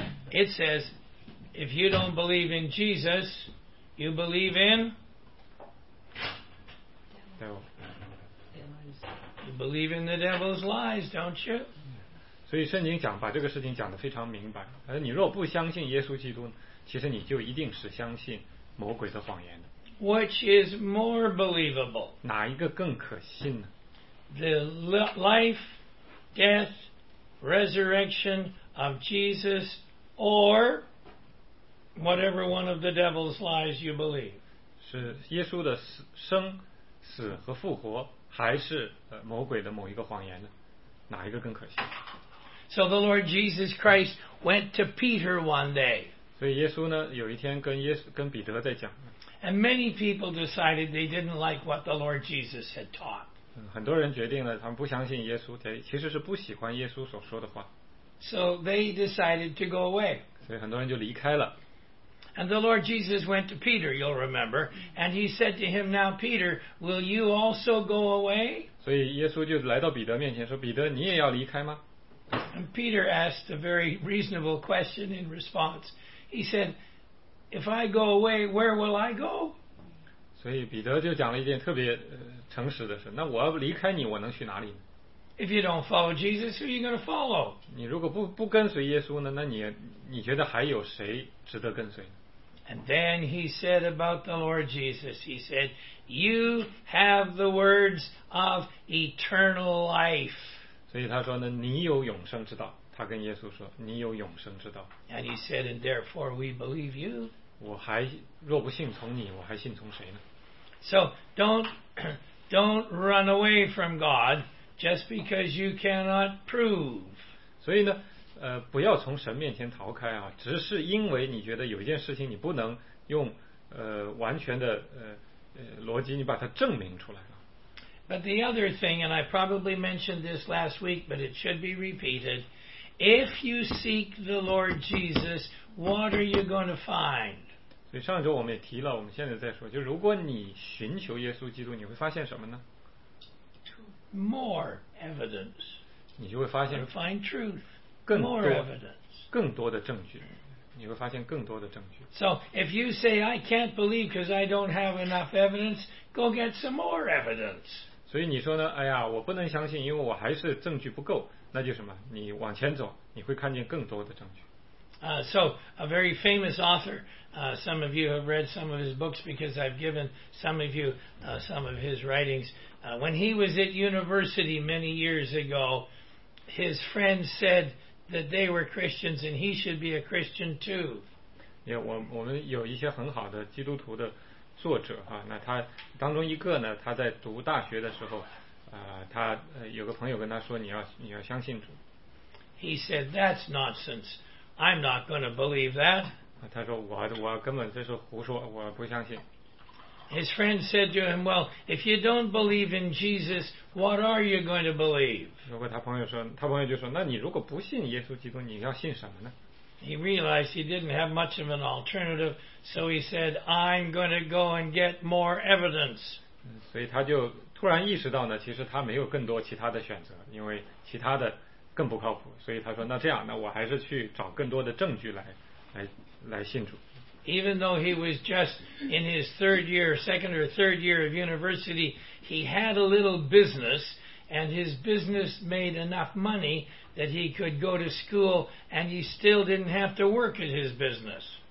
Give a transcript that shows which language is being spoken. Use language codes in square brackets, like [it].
[en] It says, if you don't believe in Jesus, you believe in? Devil. You believe in the devil's lies, don't you? [zh] 所以圣经讲，把这个事情讲得非常明白。而你若不相信耶稣基督，其实你就一定是相信魔鬼的谎言的。 [en] Which is more believable? [zh] 哪一个更可信呢？ [en] The life, death, resurrection of Jesus, or whatever one of the devil's lies you believe. [zh] 是耶稣的死和复活，还是魔鬼的某一个谎言呢？哪一个更可信？ [en] So the Lord Jesus Christ went to Peter one day. [zh] 所以耶稣呢，有一天跟彼得在讲。 [en] And many people decided they didn't like what the Lord Jesus had taught. [zh] 很多人决定了，他们不相信耶稣，其实是不喜欢耶稣所说的话。 [en] So they decided to go away. [zh] 所以很多人就离开了。 [en] And the Lord Jesus went to Peter, you'll remember, and he said to him, "Now, Peter, will you also go away?" [zh] 所以耶稣就来到彼得面前说，彼得，你也要离开吗？ [en] And Peter asked a very reasonable question in response. He said, "If I go away, where will I go?" [zh] 所以彼得就讲了一件特别诚实的事，那我要离开你，我能去哪里呢？ [en] If you don't follow Jesus, who are you going to follow? [zh] 你如果不跟随耶稣呢，那你觉得还有谁值得跟随呢？ [en] And then he said about the Lord Jesus, he said, "You have the words of eternal life." [zh] 所以他说呢，你有永生之道。他跟耶稣说，你有永生之道。 [en] And he said, "And therefore we believe you." [zh] 我还若不信从你，我还信从谁呢？ [en] So don't run away from God just because you cannot prove. [zh] 所以呢，不要从神面前逃开啊，只是因为你觉得有一件事情你不能用完全的逻辑你把它证明出来了。 [en] But the other thing, and I probably mentioned this last week, but it should be repeated: if you seek the Lord Jesus, what are you going to find? [zh] 所以上周我们也提了，我们现在再说，就如果你寻求耶稣基督，你会发现什么呢？ [en] More evidence. [zh] 你就会发现 [en] find truth. More evidence. [zh] 更多的证据，你会发现更多的证据。 [en] So if you say I can't believe because I don't have enough evidence, go get some more evidence. [zh] 所以你说呢？哎呀，我不能相信，因为我还是证据不够。那就什么？你往前走，你会看见更多的证据。 [en] So, a very famous author, some of you have read some of his books because I've given some of you some of his writings. When he was at university many years ago, his friends said that they were Christians and he should be a Christian too. [zh] Yeah, 我们有一些很好的基督徒的作者啊，那他当中一个呢，他在读大学的时候，有个朋友跟他说，你要相信主。 [en] He said, "That's nonsense. I'm not going to believe that." [zh] 他说我根本这是胡说，我不相信。 [en] His friend said to him, "Well, if you don't believe in Jesus, what are you going to believe?" [zh] 如果他朋友就说，那你如果不信耶稣基督，你要信什么呢？ [en] He realized he didn't have much of an alternative, so he said, "I'm going to go and get more evidence." [zh] 所以他就突然意识到呢，其实他没有更多其他的选择，因为其他的更不靠谱，所以他说，那这样，那我还是去找更多的证据来信主。 [en] Even though he was just in his third year, second or third year of university, he had a little business, and his business made enough money that he could go to school, and he still didn't have to work at his business.